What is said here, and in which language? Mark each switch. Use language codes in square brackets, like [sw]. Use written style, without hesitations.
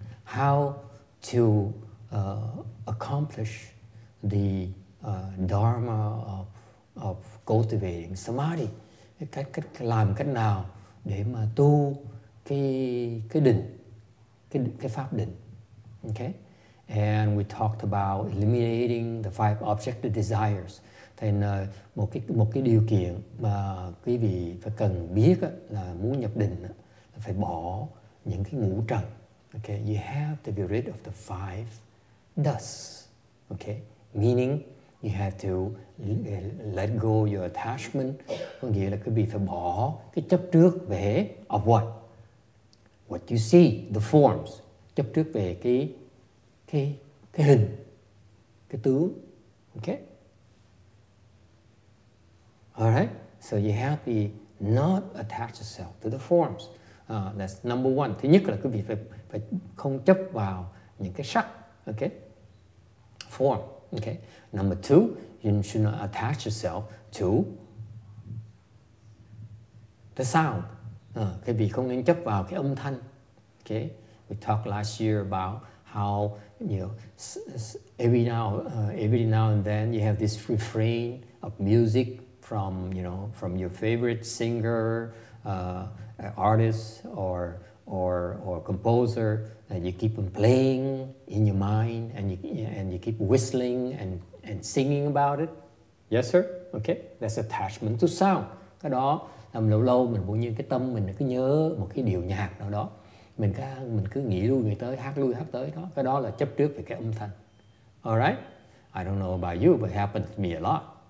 [en] How to accomplish the dharma of cultivating samadhi, [vi] cách làm cách nào để mà tu cái pháp định, okay? [en] And we talked about eliminating the five objective desires. [vi] Thành một cái điều kiện mà quý vị phải cần biết á, là muốn nhập định á, là phải bỏ những cái ngũ trần, okay? [en] You have to be rid of the five dust, okay? Meaning, you have to let go your attachment. [vi] Có nghĩa là quý vị phải bỏ cái chấp trước về [en] of what? What you see, the forms. [vi] Chấp trước về cái hình, cái tướng. [en] Okay? Alright? So you have to not attach yourself to the forms. That's number one. [vi] Thứ nhất là quý vị phải không chấp vào những cái sắc. [en] Okay? Form. Okay. Number two, you should not attach yourself to the sound. [vi] Quý vị không nên chấp vào cái âm thanh. [en] Okay. We talked last year about how, you know, every now and then you have this refrain of music from, you know, from your favorite singer, artist or composer, and you keep on playing in your mind, and you keep whistling and singing about it. Yes, sir. Okay, that's attachment to sound. [vi] Cái đó làm lâu lâu mình cũng như cái tâm mình cứ nhớ một cái điều nhạc nào đó, mình cứ nghĩ lui hát tới đó. Cái đó là chấp trước về cái âm thanh. [en] Alright, I don't know about you, but it happens to me a lot.